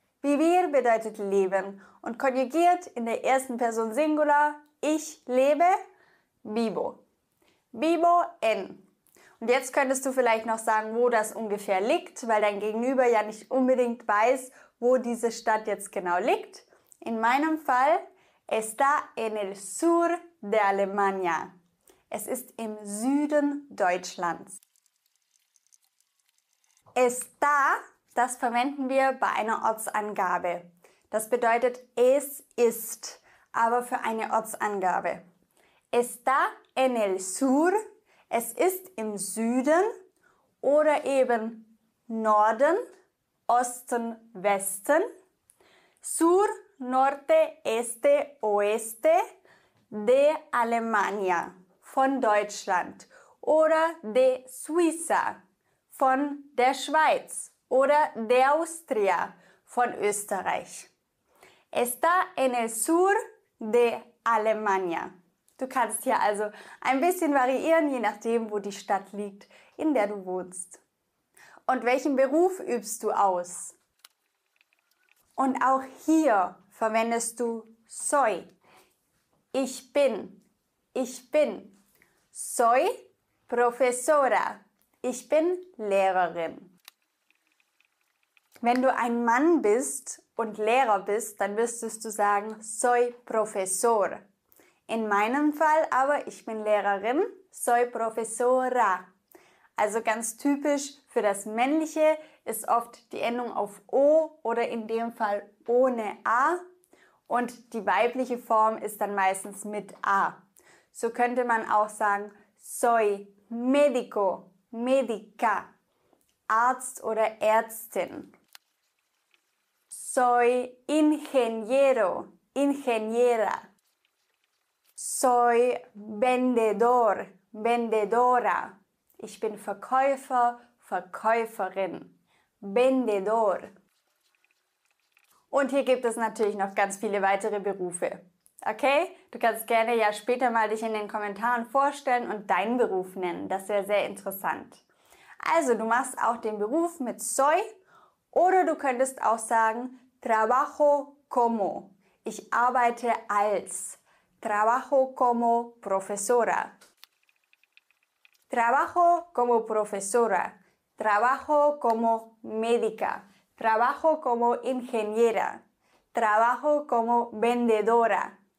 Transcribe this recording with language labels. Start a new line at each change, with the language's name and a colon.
German: Vivir bedeutet leben. Und konjugiert in der ersten Person Singular. Ich lebe. Vivo.
Spanish: Vivo en.
German: Und jetzt könntest du vielleicht noch sagen, wo das ungefähr liegt, weil dein Gegenüber ja nicht unbedingt weiß, wo diese Stadt jetzt genau liegt. In meinem Fall,
Spanish: está en el sur de Alemania.
German: Es ist im Süden Deutschlands. Está, das verwenden wir bei einer Ortsangabe. Das bedeutet, es ist, aber für eine Ortsangabe.
Spanish: Está en el sur,
German: es ist im Süden oder eben Norden, Osten, Westen.
Spanish: Sur, Norte, Este, Oeste de Alemania,
German: von Deutschland. Oder de Suiza, von der Schweiz. Oder de Austria, von Österreich.
Spanish: Está en el sur de Alemania.
German: Du kannst hier also ein bisschen variieren, je nachdem, wo die Stadt liegt, in der du wohnst. Und welchen Beruf übst du aus? Und auch hier verwendest du soy. Ich bin. Ich bin.
Spanish: Soy profesora.
German: Ich bin Lehrerin. Wenn du ein Mann bist und Lehrer bist, dann müsstest du sagen
Spanish: soy profesor.
German: In meinem Fall aber, ich bin Lehrerin,
Spanish: soy profesora.
German: Also ganz typisch für das Männliche ist oft die Endung auf O oder in dem Fall ohne A. Und die weibliche Form ist dann meistens mit A. So könnte man auch sagen,
Spanish: soy médico, médica,
German: Arzt oder Ärztin.
Spanish: Soy ingeniero, ingeniera. Soy vendedor, vendedora.
German: Ich bin Verkäufer, Verkäuferin. Vendedor. Und hier gibt es natürlich noch ganz viele weitere Berufe. Okay? Du kannst gerne ja später mal dich in den Kommentaren vorstellen und deinen Beruf nennen. Das wäre sehr interessant. Also, du machst auch den Beruf mit soy oder du könntest auch sagen,
Spanish: trabajo como.
German: Ich arbeite als.
Spanish: Trabajo como profesora. Trabajo como profesora. Trabajo como médica. Trabajo como ingeniera. Trabajo como vendedora.